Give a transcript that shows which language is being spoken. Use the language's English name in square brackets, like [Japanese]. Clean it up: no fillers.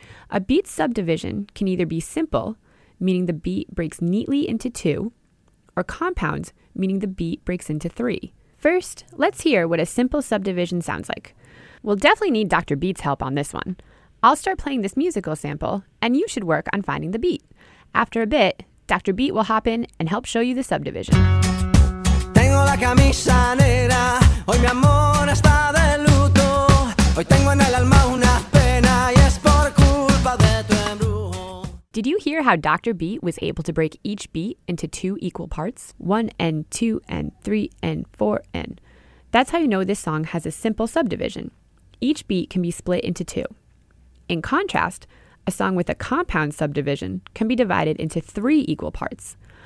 [English] A beat subdivision can either be simple, meaning the beat breaks neatly into two, or compound, meaning the beat breaks into three. First, let's hear what a simple subdivision sounds like. We'll definitely need Dr. Beat's help on this one. I'll start playing this musical sample, and you should work on finding the beat. After a bit, Dr. Beat will hop in and help show you the subdivision. [Spanish] Tengo la camisa negra, hoy mi amor está de luto. Hoy tengo en el alma una pena, y es por culpa de tu embrujo. [English] Did you hear how Dr. Beat was able to break each beat into two equal parts? One and two and three and four and. That's how you know this song has a simple subdivision. Each beat can be split into two. In contrast, a song with a compound subdivision can be divided into three equal parts.